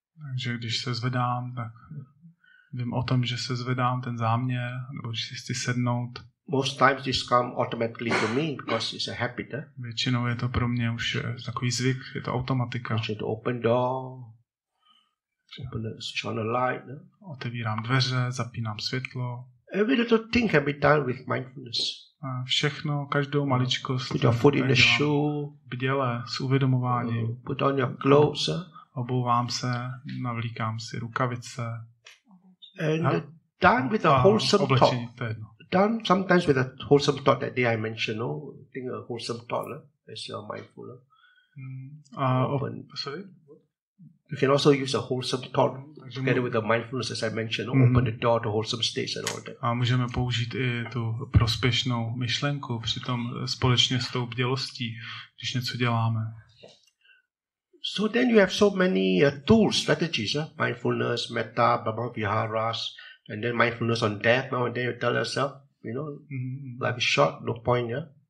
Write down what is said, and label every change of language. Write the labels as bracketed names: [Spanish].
[Czech] Takže když se zvedám, tak vím o tom, že se zvedám, ten záměr, nebo že si chci sednout. [English] Most times this come automatically to me because it's a habit. [Czech] Většinou je to pro mě už takový zvyk, je to automatika. Takže to [English] open door. Switch on the light, no? [Czech] Otevírám dveře, zapínám světlo. [English] Every little thing can be done with mindfulness. [Czech] A všechno, každou maličkost. [English] Put your foot in the shoe. [Czech] Bděle, s uvědomováním. [English] Put on your gloves. [Czech] Obouvám se, navlíkám si rukavice. [English] And done with a wholesome thought. Done sometimes with a wholesome thought that day I mentioned, no? Think a wholesome thought, no? As you're mindful. No? Open. Sorry? You can also use a wholesome thought together with the mindfulness, as I mentioned, open the door to wholesome states and all that. [Czech] A můžeme použít i tu prospěšnou myšlenku přitom společně s tou bdělostí, když něco děláme. [English] So then you have so many tools, strategies, mindfulness, metta, Brahma Viharas, and then mindfulness on death. Now and then you tell yourself, you know, life is short, no point, yeah.